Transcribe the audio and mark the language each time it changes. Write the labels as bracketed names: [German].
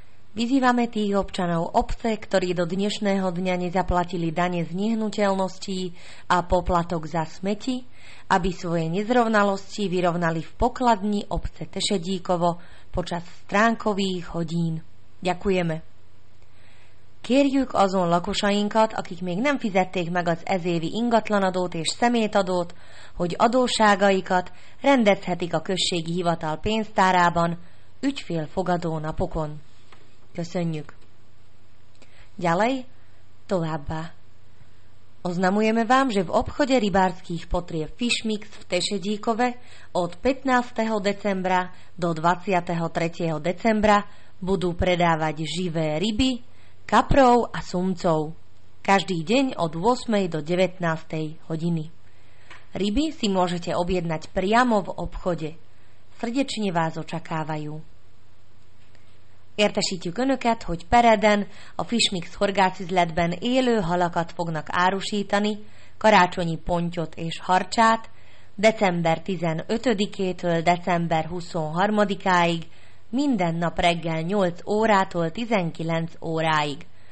[Slovak] Vyzývame tých občanov obce, ktorí do dnešného dňa nezaplatili dane z nehnuteľností a poplatok za smeti, aby svoje nezrovnalosti vyrovnali v pokladni obce Tešedíkovo počas stránkových hodín. Ďakujeme. [Hungarian] Kérjük azon lakosainkat, akik még nem fizették meg az ezévi ingatlanadót és szemétadót, hogy adósságaikat rendezhetik a községi hivatal pénztárában, ügyfélfogadó napokon. Köszönjük! [Slovak] Ďalej, [Hungarian] továbbá. [Slovak] Oznamujeme vám, že v obchode rybárskych potrieb Fishmix v Tešedíkove od 15. decembra do 23. decembra budú predávať živé ryby, kaprov a sumcov. Každý deň od 8. do 19. hodiny. Ryby si môžete objednať priamo v obchode. Srdečne vás očakávajú. [Hungarian] Értesítjük önöket, hogy Pereden a Fishmix horgászüzletben élő halakat fognak árusítani, karácsonyi pontyot és harcsát december 15-től december 23-áig, minden nap reggel 8 órától 19 óráig.